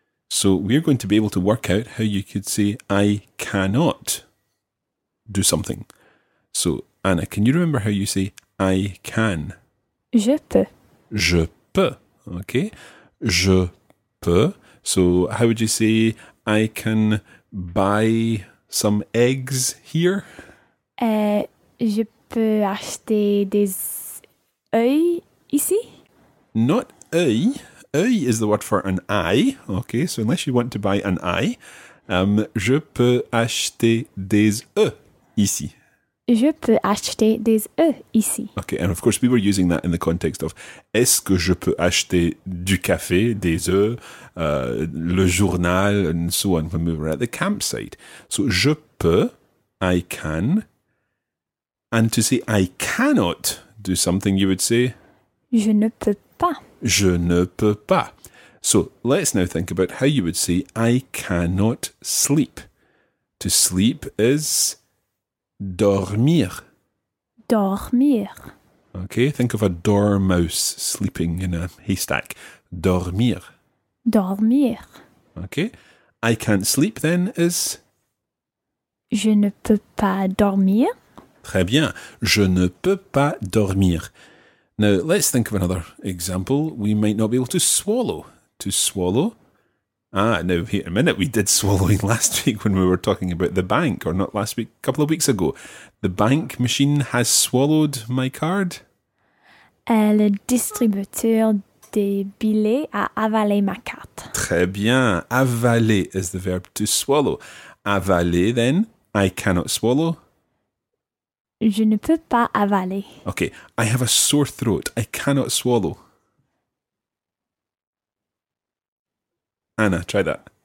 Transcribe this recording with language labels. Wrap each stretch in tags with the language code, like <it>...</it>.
<en>So we're going to be able to work out how you could say, I cannot do something. So, Anna, can you remember how you say, I can?</en> <fr>Je peux. Je peux.</fr> <en>Okay.</en> <fr>Je peux.</fr> <en>So how would you say, I can buy some eggs here?</en> <fr>Je peux acheter des œufs ici?</fr> <en>Not œufs. Œil is the word for an eye, okay, so unless you want to buy an eye,</en> <fr>je peux acheter des œufs ici. Je peux acheter des œufs ici.</fr> <en>Okay, and of course we were using that in the context of</en> <fr>est-ce que je peux acheter du café, des œufs, le journal,</fr> <en>and so on when we were at the campsite. So</en> <fr>je peux,</fr> <en>I can, and to say I cannot do something, you would say</en> <fr>je ne peux pas. Je ne peux pas.</fr> <en>So let's now think about how you would say I cannot sleep. To sleep is dormir.</en> <fr>Dormir.</fr> <en>Okay, think of a dormouse sleeping in a haystack.</en> <fr>Dormir. Dormir.</fr> <en>Okay, I can't sleep then is</en> <fr>je ne peux pas dormir. Très bien, je ne peux pas dormir.</fr> <en>Now, let's think of another example. We might not be able to swallow. To swallow. Ah, now, wait a minute. We did swallowing last week when we were talking about the bank, or not last week, a couple of weeks ago. The bank machine has swallowed my card.</en> <fr>Le distributeur des billets a avalé ma carte. Très bien.</fr> <en>Avaler is the verb to swallow. Avaler, then, I cannot swallow.</en> <fr>Je ne peux pas avaler.</fr> <en>Okay, I have a sore throat. I cannot swallow. Anna, try that.</en>